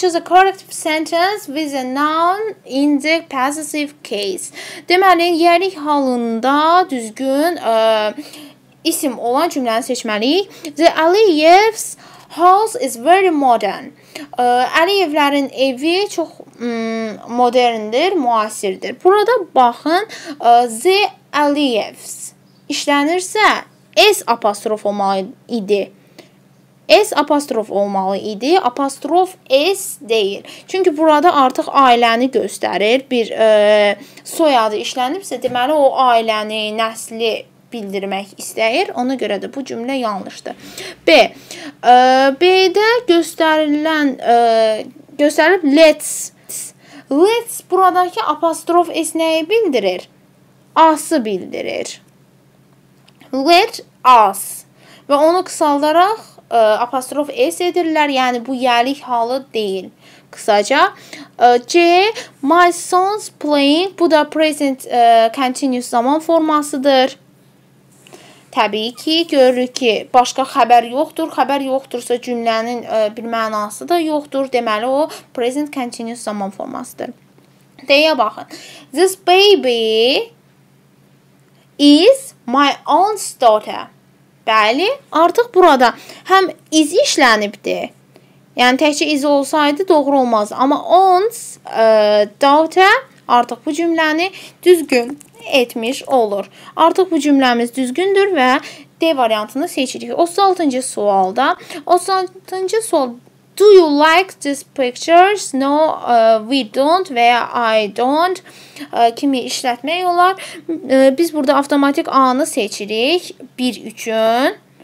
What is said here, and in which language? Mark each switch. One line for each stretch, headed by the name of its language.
English: Choose a correct sentence with a noun in the possessive case.
Azerbaijani: Deməli, yerlik halında düzgün isim olan cümləni seçməliyik.
English: The Aliyev's house is very modern.
Azerbaijani: Aliyevlərin evi çox moderndir, müasirdir. Burada baxın, the Aliyevs işlənirsə S apostrof olmalı idi. S apostrof olmalı idi. Apostrof S deyil. Çünki burada artıq ailəni göstərir. Bir soyadı işlənibsə, deməli o ailəni, nəsli bildirmək istəyir. Ona görə də bu cümlə yanlışdır. B. B-də göstərilən göstərib let's. Let's buradakı apostrof S nəyi bildirir? As-ı bildirir. Let us. Və onu qısaldaraq apostrof S edirlər. Yəni, bu yerlik halı deyil. Qısaca.
English: C. My son's playing.
Azerbaijani: Bu da present continuous zaman formasıdır. Təbii ki, görürük ki, başqa xəbər yoxdur. Xəbər yoxdursa cümlənin bir mənası da yoxdur. Deməli, o present continuous zaman formasıdır. D-yə baxın.
English: This baby is my aunt's daughter.
Azerbaijani: Bəli, artıq burada həm is işlənibdir. Yəni, təkcə is olsaydı doğru olmaz. Amma aunt's daughter artıq bu cümləni düzgün etmiş olur. Artıq bu cümləmiz düzgündür və D variantını seçirik. 36-cı sualda. 36-cı sual.
English: Do you like these pictures? No, we don't
Azerbaijani: və ya I don't kimi işlətmək olar. Biz burada avtomatik A-nı seçirik 1 üçün.